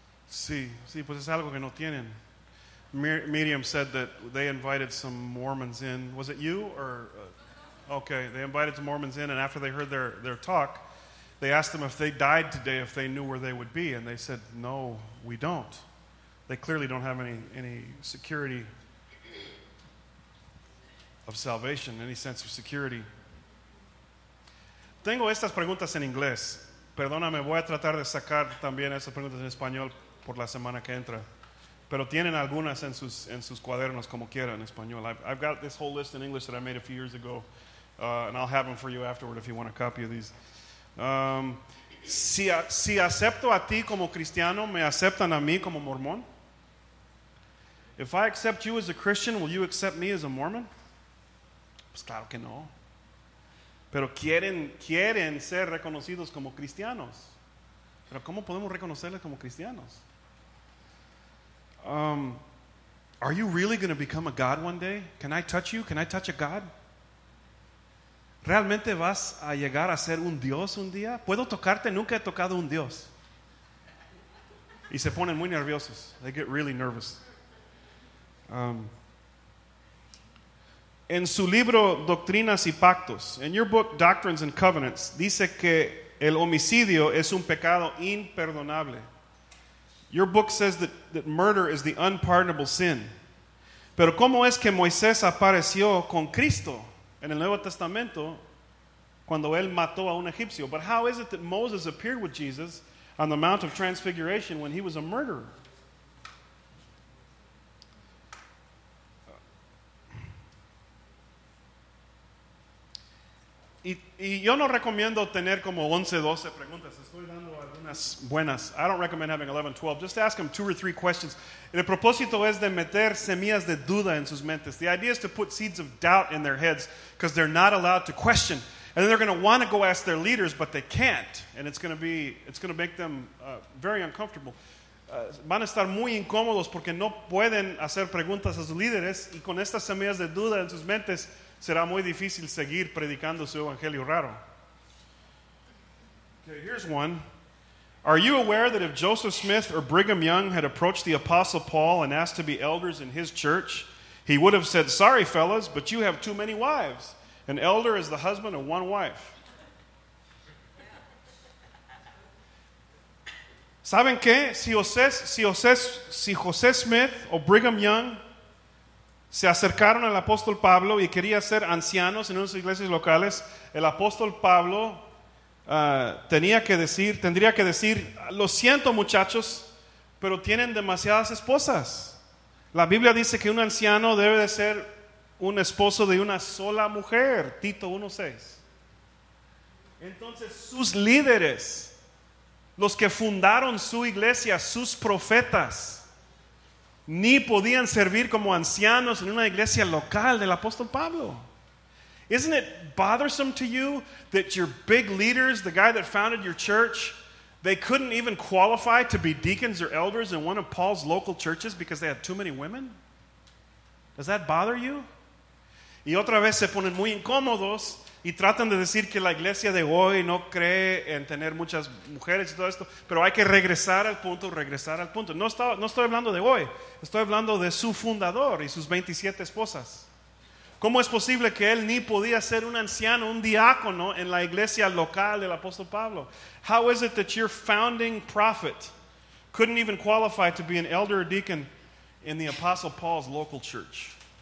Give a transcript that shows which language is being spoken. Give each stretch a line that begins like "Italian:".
Spanish: Sí, sí, pues es algo que no tienen.
English: Miriam said that they invited some Mormons in. Was it you or? Okay, they invited some Mormons in, and after they heard their talk, they asked them if they died today, if they knew where they would be, and they said, "No, we don't." They clearly don't have any security of salvation, any sense of security.
Spanish: Tengo estas preguntas en inglés. Perdóname, voy a tratar de sacar también esas preguntas en español por la semana que entra. Pero tienen algunas en sus cuadernos como quieran en español.
English: I've got this whole list in English that I made a few years ago, and I'll have them for you afterward if you want a copy of these.
Spanish: Si acepto a ti como cristiano, ¿me aceptan a mí como mormón?
English: If I accept you as a Christian, will you accept me as a Mormon?
Spanish: Pues claro que no. Pero quieren ser reconocidos como cristianos. Pero ¿cómo podemos reconocerles como cristianos?
English: Are you really going to become a God one day? Can I touch you? Can I touch a God?
Spanish: ¿Realmente vas a llegar a ser un Dios un día? ¿Puedo tocarte? Nunca he tocado un Dios. Y se ponen muy nerviosos.
English: They get really nervous.
Spanish: En su libro Doctrinas y Pactos,
English: in your book Doctrines and Covenants,
Spanish: dice que el homicidio es un pecado imperdonable.
English: Your book says that murder is the unpardonable sin.
Spanish: Pero ¿cómo es que Moisés apareció con Cristo en el Nuevo Testamento cuando él mató a un egipcio?
English: But how is it that Moses appeared with Jesus on the Mount of Transfiguration when he was a murderer?
Spanish: Y yo no recomiendo tener como 11, 12 preguntas. Estoy dando algunas buenas.
English: I don't recommend having 11, 12. Just ask them two or three questions.
Spanish: El propósito es de meter semillas de duda en sus mentes.
English: The idea is to put seeds of doubt in their heads because they're not allowed to question. And then they're going to want to go ask their leaders, but they can't. And it's going to make them very uncomfortable.
Spanish: Van a estar muy incómodos porque no pueden hacer preguntas a sus líderes. Y con estas semillas de duda en sus mentes, será muy difícil seguir predicando su evangelio raro.
English: Okay, here's one. Are you aware that if Joseph Smith or Brigham Young had approached the Apostle Paul and asked to be elders in his church, he would have said, "Sorry, fellas, but you have too many wives. An elder is the husband of one wife."
Spanish: ¿Saben qué? Si José Smith o Brigham Young se acercaron al apóstol Pablo y quería ser ancianos en unas iglesias locales, el apóstol Pablo tendría que decir, lo siento muchachos, pero tienen demasiadas esposas. La Biblia dice que un anciano debe de ser un esposo de una sola mujer, Tito 1:6. Entonces sus líderes, los que fundaron su iglesia, sus profetas, ni podían servir como ancianos en una iglesia local del apóstol Pablo.
English: Isn't it bothersome to you that your big leaders, the guy that founded your church, they couldn't even qualify to be deacons or elders in one of Paul's local churches because they had too many women? Does that bother you?
Spanish: Y otra vez se ponen muy incómodos y tratan de decir que la iglesia de hoy no cree en tener muchas mujeres y todo esto, pero hay que regresar al punto. No estoy hablando de hoy, estoy hablando de su fundador y sus 27 esposas. ¿Cómo es posible que él ni podía ser un anciano, un diácono en la iglesia local del apóstol Pablo?
English: How is it that your founding prophet couldn't even qualify to be an elder or deacon in the apostle Paul's local church?